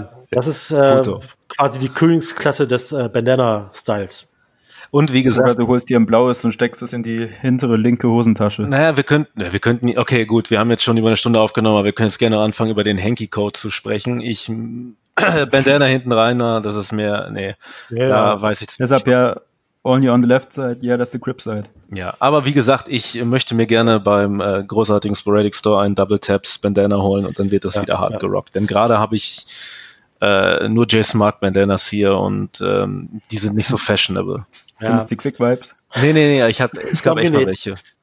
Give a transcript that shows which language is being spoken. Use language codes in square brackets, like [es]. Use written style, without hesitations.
[de] Das ist quasi die Königsklasse des Bandana-Styles. Und wie gesagt, du holst dir ein blaues und steckst es in die hintere linke Hosentasche. Naja, wir könnten, okay, gut, wir haben jetzt schon über eine Stunde aufgenommen, aber wir können jetzt gerne anfangen, über den Hanky-Code zu sprechen. Ich, Bandana hinten rein, das ist mir, nee, ja, da weiß ich es nicht. Deshalb ja, [en] only on the left side, yeah, that's the Crip side. [de] Ja, aber wie gesagt, ich möchte mir gerne beim großartigen Sporadic Store einen Double Taps Bandana holen und dann wird das wieder hart gerockt. Denn gerade habe ich nur Jason Mark Bandanas hier und die sind nicht so fashionable. Sind das die Quick Vibes? Nee, es gab echt mal welche.